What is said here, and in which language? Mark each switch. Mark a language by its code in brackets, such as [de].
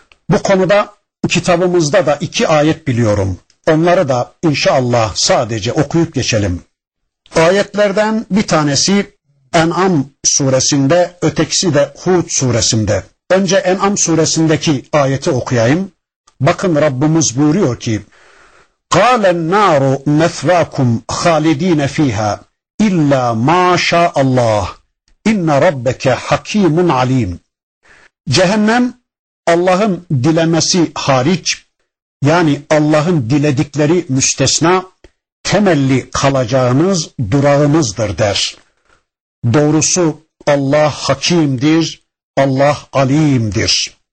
[tr] Bu konuda kitabımızda da iki ayet biliyorum. Onları da inşallah sadece okuyup geçelim. Ayetlerden bir tanesi En'am suresinde, ötekisi de Hud suresinde. Önce En'am suresindeki ayeti okuyayım. Bakın Rabbimiz buyuruyor ki: [ar] قَالَ النَّارُ مَثْوَاكُمْ خَالِد۪ينَ ف۪يهَا اِلَّا مَا شَاءَ اللّٰهِ اِنَّ رَبَّكَ حَك۪يمٌ عَل۪يمٌ. [tr] Cehennem Allah'ın dilemesi hariç, yani Allah'ın diledikleri müstesna, temelli kalacağınız durağınızdır der. Doğrusu Allah hakimdir, Allah alimdir.